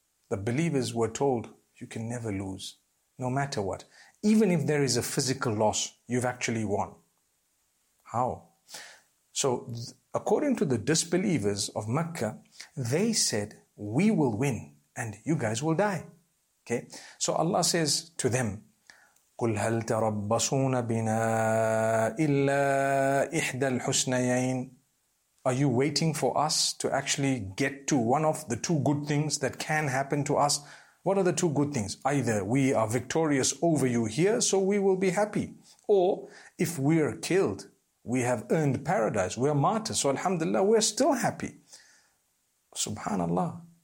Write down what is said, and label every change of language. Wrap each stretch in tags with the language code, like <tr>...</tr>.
<en>The believers were told, you can never lose. No matter what, even if there is a physical loss, you've actually won. How? So according to the disbelievers of Mecca, they said, we will win and you guys will die. Okay. So Allah says to them,</en> <ar>قُلْ هَلْ تَرَبَّصُونَ بِنَا إِلَّا إِحْدَى الْحُسْنَيَيْنِ.</ar> <en>Are you waiting for us to actually get to one of the two good things that can happen to us? What are the two good things? Either we are victorious over you here, so we will be happy. Or if we are killed, we have earned paradise. We are martyrs. So alhamdulillah, we're still happy. Subhanallah.</en>